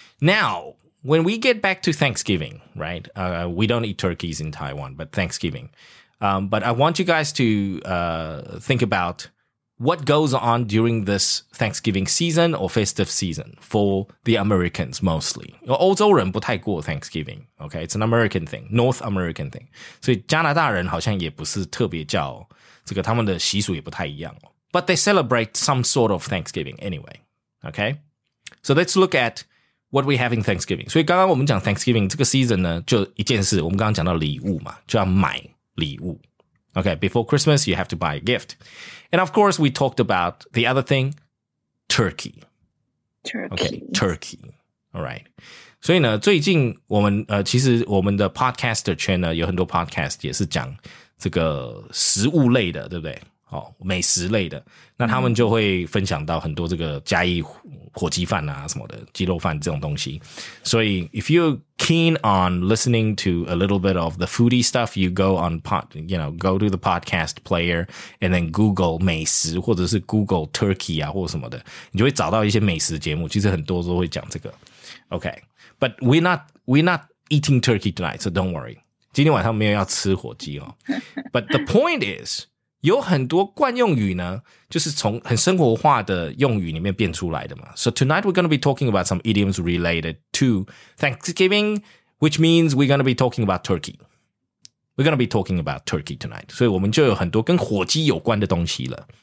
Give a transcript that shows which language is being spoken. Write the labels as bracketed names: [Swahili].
[English] Now, when we get back to Thanksgiving, right?、we don't eat turkeys in Taiwan, but Thanksgiving.、but I want you guys to、think about... What goes on during this Thanksgiving season or festive season for the Americans mostly? [Chinese] 欧洲人不太过 [English] Thanksgiving, okay? It's an American thing, North American thing. [Chinese] 所以加拿大人好像也不是特别叫这个，他们的习俗也不太一样。 [English] But they celebrate some sort of Thanksgiving anyway, okay? So let's look at what we have in Thanksgiving. [Chinese] 所以刚刚我们讲 Thanksgiving 这个 season 呢，就一件事，我们刚刚讲到礼物嘛，就要买礼物。 [English] Okay, before Christmas, you have to buy a gift. And of course, we talked about the other thing, turkey. Turkey. Okay, turkey. All right. [Chinese] 所以呢最近我们其实我们的 podcaster 圈呢有很多 podcast 也是讲这个食物类的，对不对？哦，美食类的。那他们就会分享到很多这个嘉义火鸡饭啊什么的，鸡肉饭这种东西。所以 [English] if you're keen on listening to a little bit of the foodie stuff, you go on go to the podcast player and then Google [Chinese] 美食或者是 [English] Google turkey [Chinese] 啊或什么的，你就会找到一些美食节目，其实很多都会讲这个。 [English] Okay, but we're not eating turkey tonight, so don't worry. [Chinese] 今天晚上没有要吃火鸡哦。 [English] But the point is, [Chinese] 有很多惯用语呢就是从很生活化的用语里面变出来的嘛。 [English] So tonight we're going to be talking about some idioms related to Thanksgiving, which means we're going to be talking about turkey. We're going to be talking about turkey tonight. [Chinese] 所以我们就有很多跟火鸡有关的东西了。